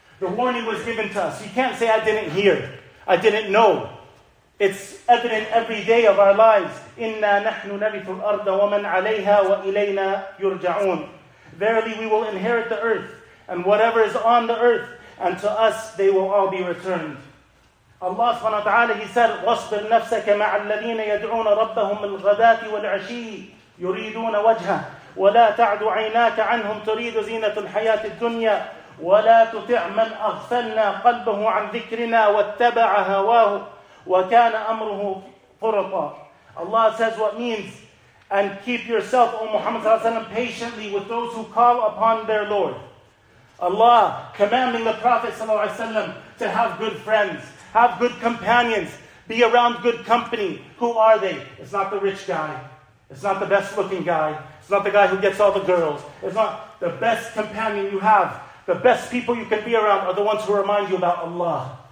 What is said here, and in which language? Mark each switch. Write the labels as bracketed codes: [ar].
[en] The warning was given to us. You can't say, I didn't hear, I didn't know. It's evident every day of our lives. [ar] إِنَّا نَحْنُ نَرِثُ الْأَرْضَ وَمَنْ عَلَيْهَا وَإِلَيْنَا يُرْجَعُونَ [en] Verily we will inherit the earth, and whatever is on the earth, and to us they will all be returned. Allah subhanahu wa ta'ala, he said, [ar] وَاصْبِرْ نَفْسَكَ مَعَ الَّذِينَ يَدْعُونَ رَبَّهُمْ الْغَدَاةِ وَالْعَشِيِّ يُرِيدُونَ وَجْهَهُ وَلَا تَعْدُ عَيْنَاكَ عَنْهُمْ تُرِيدُ زِينَةُ الْحَيَاةِ الدُّنْيَا وَلَا تُطِعْ مَنْ أَغْفَلْنَا قَلْبَهُ عَنْ ذِكْرِنَا وَاتَّبَعَ هَوَاهُ وَكَانَ أَمْرُهُ فُرَطًا [en] Allah says what means, and keep yourself, O Muhammad sallallahu alayhi wa sallam, patiently with those who call upon their Lord. Allah commanding the Prophet sallallahu alayhi wa sallam to have good friends, have good companions, be around good company. Who are they? It's not the rich guy. It's not the best looking guy. It's not the guy who gets all the girls. It's not the best companion you have. The best people you can be around are the ones who remind you about Allah.